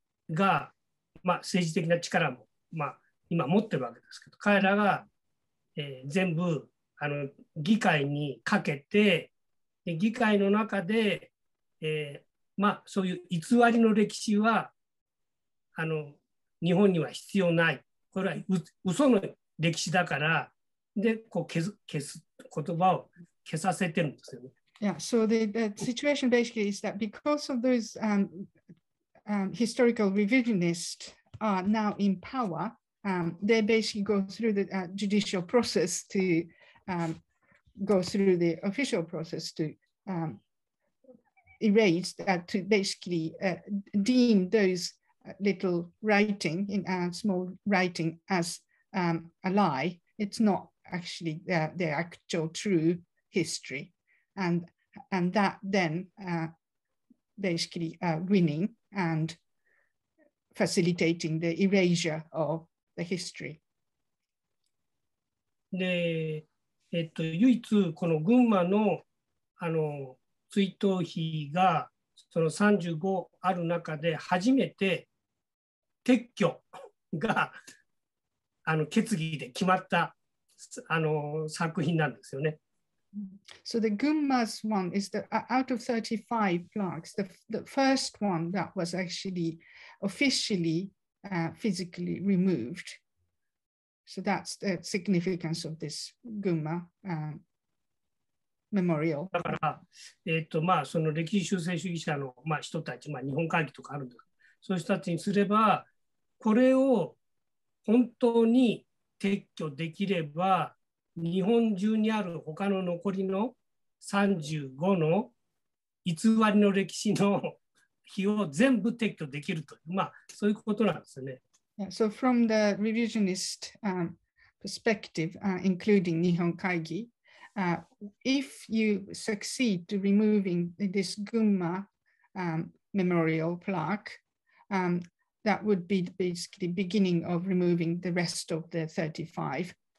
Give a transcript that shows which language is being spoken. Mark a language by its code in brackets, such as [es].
[ja] が、まあ、政治的な力も、まあ、今持ってるわけですけど、彼らが、全部あの議会にかけて、議会の中で、まあ、そういう偽りの歴史はあの日本には必要ない、これは嘘の歴史だから、でこう消す言葉を消させてるんですよね。 [en] Yeah, so the situation basically is that because of those historical revisionists are now in power, they basically go through the judicial process to go through the official process to erase that, to basically deem those little writing in a small writing as a lie. It's not actually their actual true history. And that then basically winning and facilitating the erasure of the history. [ja] で、唯一この群馬の、あの追悼碑がその35ある中で初めて撤去があの決議で決まったあの作品なんですよね。 [en] So the Gunma's one is the out of 35 plaques, the first one that was actually officially physically removed. So that's the significance of this Gunma memorial. [ja] だから、まあ、その歴史修正主義者の、まあ、人たち、まあ、日本会議とかあるんです。そういう人たちにすれば、これを本当に撤去できれば、日本中にある他の残りの35の偽りの歴史の碑を全部撤去できるという、まあ、そういうことなんですね。 [en] Yeah, so from the revisionist perspective, including Nihon Kaigi, if you succeed to removing this Gunma memorial plaque, that would be basically the beginning of removing the rest of the 35.